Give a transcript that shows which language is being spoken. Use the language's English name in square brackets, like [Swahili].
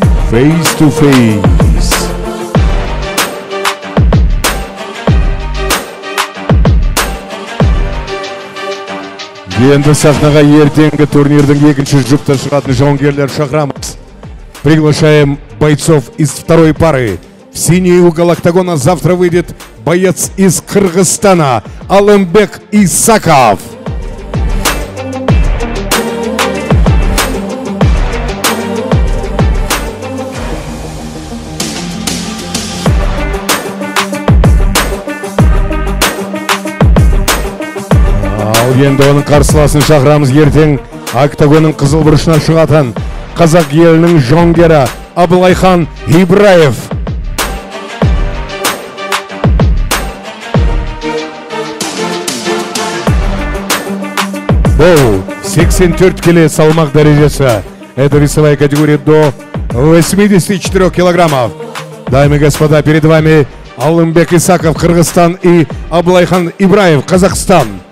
[English] Face to face. [Kazakh] Енді сахнаға ертеңгі турнирдің екінші жұпта шығатын жауынгерлер шақырамыз. [Russian] Приглашаем бойцов из второй пары. В синий угол октагона завтра выйдет боец из Кыргызстана Алымбек Исаков. [Kazakh] Енді оның қарсыласын шақырамыз ертең октагонның қызыл бұрышына шығатын қазақ елінің жонгері Абылайхан Ибраев. Бұл 84 келі салмақ дәрежесі. [Russian] Это весовая категория до 84 килограммов. Дамы и господа, перед вами Алымбек Исаков, Кыргызстан, и Абылайхан Ибраев, Казахстан.